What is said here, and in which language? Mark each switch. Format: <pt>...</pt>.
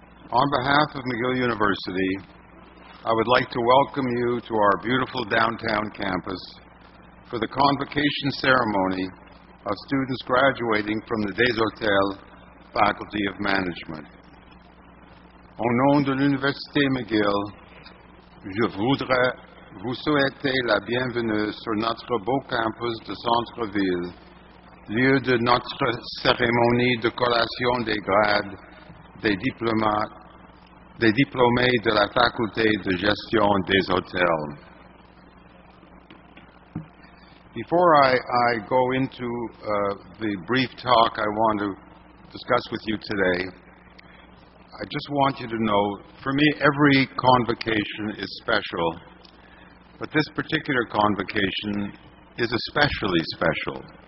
<en>On behalf of McGill University, I would like to welcome you to our beautiful downtown campus for the convocation ceremony of students graduating from the Des Hôtels Faculty of Management.</en> <fr>Au nom de l'Université McGill, je voudrais vous souhaiter la bienvenue sur notre beau campus de centre-ville, lieu de notre cérémonie de collation des grades des diplômés de la faculté de gestion des hôtels.</fr> <en>Before I go into the brief talk I want to discuss with you today, I just want you to know, for me, every convocation is special, but this particular convocation is especially special.</en>